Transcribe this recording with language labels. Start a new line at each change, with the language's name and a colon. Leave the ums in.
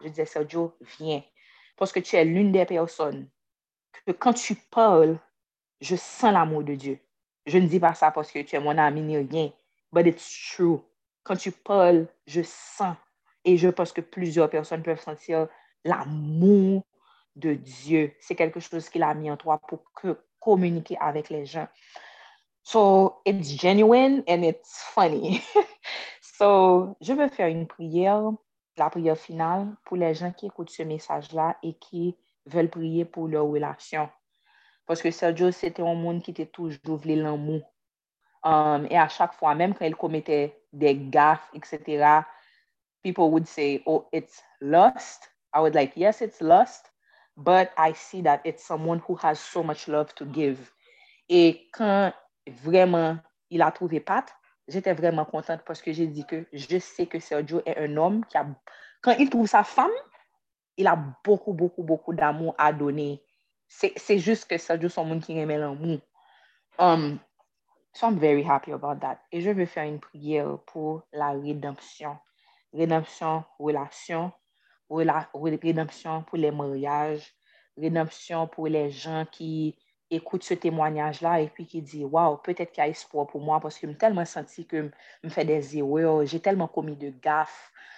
French: Je disais, Sergio, viens. Parce que tu es l'une des personnes que quand tu parles, je sens l'amour de Dieu je ne dis pas ça parce que tu es mon ami ni rien,
English: but it's true.
French: Quand tu parles, je sens et je pense que plusieurs personnes peuvent sentir l'amour de Dieu. C'est quelque chose qu'il a mis en toi pour que, communiquer avec les gens.
English: So, it's genuine and it's funny.
French: so, je veux faire une prière, la prière finale, pour les gens qui écoutent ce message-là et qui veulent prier pour leur relation parce que Sergio, c'était un monde qui était toujours l'amour. Um, et à chaque fois, même quand il commettait des gaffes, etc.,
English: people would say, oh, it's lust. I would like, yes, it's lust, but I see that it's someone who has so much love to give.
French: Et quand vraiment il a trouvé Pat, j'étais vraiment contente parce que j'ai dit que je sais que Sergio est un homme qui a, quand il trouve sa femme, il a beaucoup, beaucoup, beaucoup d'amour à donner c'est juste que ça joue son monde qui remet l'amour.
English: Um, so I'm very happy about that.
French: Et je veux faire une prière pour la rédemption. Rédemption, relation, rédemption pour les mariages, rédemption pour les gens qui écoutent ce témoignage-là et puis qui disent Waouh, peut-être qu'il y a espoir pour moi parce que je me tellement senti que me fais des erreurs, j'ai tellement commis de gaffes.